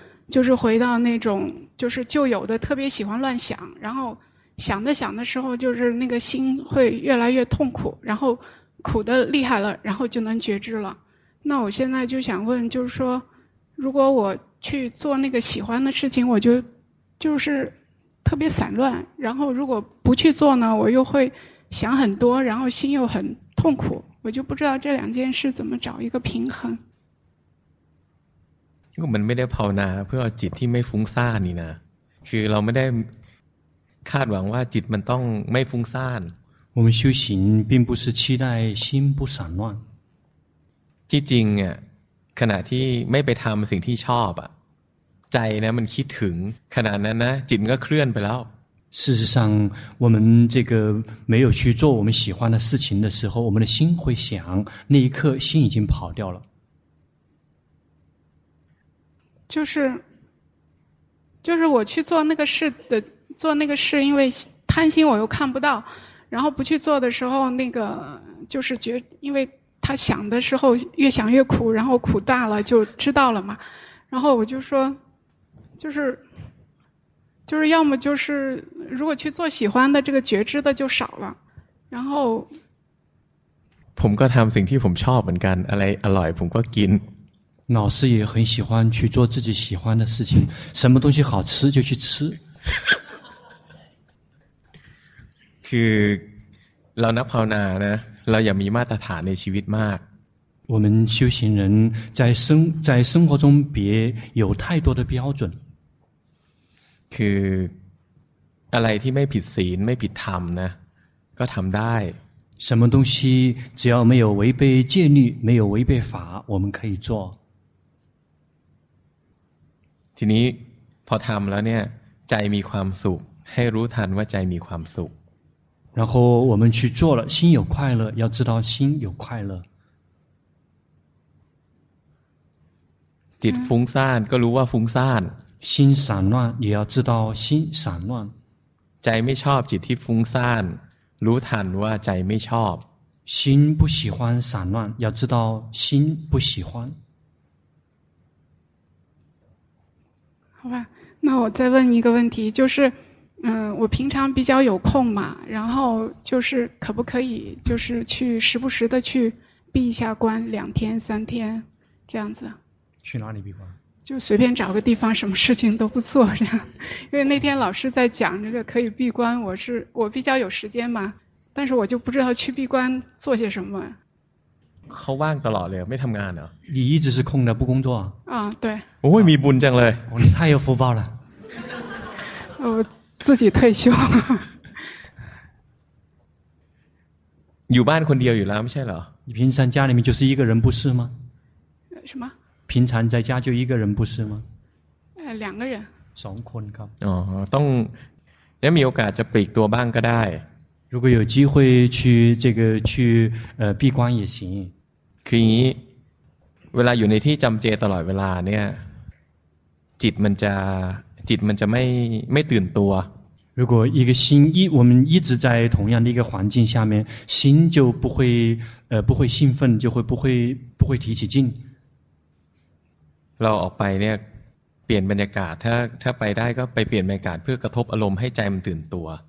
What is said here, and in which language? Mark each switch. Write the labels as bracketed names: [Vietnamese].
[Chinese] 就是回到那种就是旧有的特别喜欢乱想然后想着想的时候就是那个心会越来越痛苦然后苦的厉害了然后就能觉知了那我现在就想问就是说如果我去做那个喜欢的事情我就是特别散乱然后如果不去做呢我又会想很多然后心又很痛苦我就不知道这两件事怎么找一个平衡因为我们没得 [Thai] ภาวนาเพื่อจิตที่ไม่ฟุ้งซ่านนี่นะคือเราไม่ได้คาดหวังว่าจิตมันต้องไม่ฟุ้งซ่าน [Chinese] 我们修行并不是期待心不散乱 [Thai] ที่จริงอ่ะขณะที่ไม่ไปทำสิ่งที่ชอบอ่ะใจนะมันคิดถึงขณะนั้นนะจิตก็เคลื่อนไปแล้ว [Chinese] 事实上我们这个没有去做我们喜欢的事情的时候我们的心会想那一刻心已经跑掉了就是我去做那个事的做那个事因为贪心我又看不到然后不去做的时候那个就是觉因为他想的时候越想越苦然后苦大了就知道了嘛然后我就说就是要么就是如果去做喜欢的这个觉知的就少了然后 [Thai] ผมก็ทำสิ่งที่ผมชอบเหมือนกันอะไรอร่อยผมก็กิน [Chinese] 老师也很喜欢去做自己喜欢的事情什么东西好吃就去吃 [Thai] คือเรานักภาวนานะเราอย่ามีมาตรฐานในชีวิตมาก [Chinese] 我们修行人在生活中别有太多的标准 [Thai] คืออะไรที่ไม่ผิดศีลไม่ผิดธรรมนะก็ทำได้ [Chinese] 什么东西只要没有违背戒律没有违背法我们可以做 [Thai] ทีนี้พอทำแล้วเนี่ยใจมีความสุขให้รู้ทันว่าใจมีความสุข [Chinese] 然后我们去做了心有快乐要知道心有快乐 [Thai] จิตฟุ้งซ่านก็รู้ว่าฟุ้งซ่าน [Chinese] 心散乱也要知道心散乱 [Thai] ใจไม่ชอบจิตที่ฟุ้งซ่านรู้ทันว่าใจไม่ชอบ [Chinese] 心不喜欢散乱要知道心不喜欢好吧那我再问一个问题就是我平常比较有空嘛然后就是可不可以就是去时不时的去闭一下关两天三天这样子。去哪里闭关？就随便找个地方，什么事情都不做这样。因为那天老师在讲这个可以闭关，我比较有时间嘛，但是我就不知道去闭关做些什么。 [Thai] เขาว่างตลอดเลยไม่ทำงานเหรอ [Chinese] 你一直是空的不工作啊对 [Thai] โอ้ยมีบุญจังเลย [Chinese] 你太有福报了我自己退休 [Thai] อยู่บ้านคนเดียวอยู่แล้วไม่ใช่เหรอ [Chinese] 你平常家里面就是一个人不是吗什么平常在家就一个人不是吗两个人 [Thai] 2คนครับ อ๋อต้องแล้วมีโอกาสจะปลีกตัวบ้างก็ได้ [Chinese] 如果有机会去这个去闭关也行。 [Thai] คือเวลาอยู่ในที่จำเจตลอดเวลาเนี่ยจิตมันจะไม่ตื่นตัว。 [Chinese] 如果一个心我们一直在同样的一个环境下面，心就不会兴奋，就会不会提起劲。 [Thai] เราออกไปเนี่ยเปลี่ยนบรรยากาศถ้าไปได้ก็ไปเปลี่ยนบรรยากาศเพื่อกระทบอารมณ์ให้ใจมันตื่นตัว。